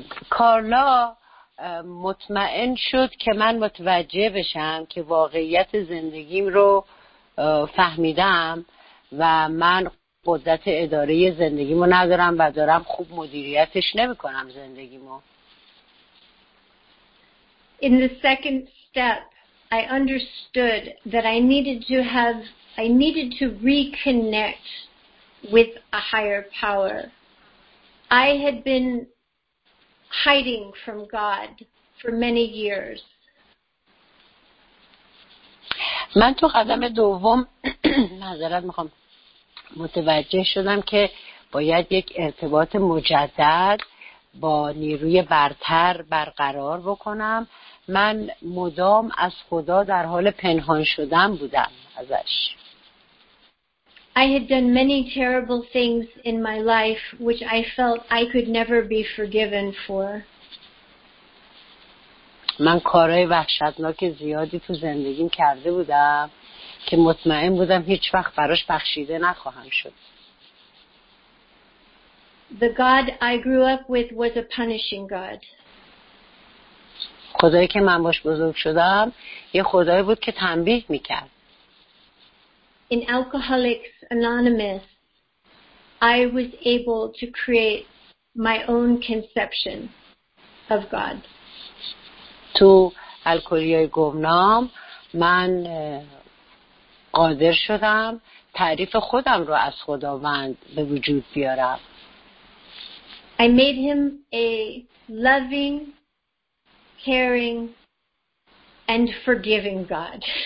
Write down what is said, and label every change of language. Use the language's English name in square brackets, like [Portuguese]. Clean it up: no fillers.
[Persian] Carla مطمئن شد که من متوجه بشم که واقعیت زندگیم رو فهمیدم و من قدرت اداره زندگیمو ندارم و دارم خوب مدیریتش نمی‌کنم زندگیمو. [English] In the second step, I understood that I needed to reconnect with a higher power. I had been hiding from God for many years. [Persian] من تو قدم دوم معذرت میخوام متوجه شدم که باید یک ارتباط مجدد با نیروی برتر برقرار بکنم. من مدام از خدا در حال پنهان شدن بودم ازش. [English] I had done many terrible things in my life which I felt I could never be forgiven for. [Persian] من کارهای وحشتناک زیادی تو زندگیم کرده بودم که مطمئن بودم هیچ وقت براش بخشیده نخواهم شد. [English] The God I grew up with was a punishing God. [Persian] خدایی که من باش بزرگ شدم یه خدایی بود که تنبیه میکرد. [English] In Alcoholics Anonymous, I was able to create my own conception of God. [Persian] تو الکلیای گمنام من قادر شدم تعریف خودم رو از خداوند به وجود بیارم. [English] I made him a loving, caring and forgiving God.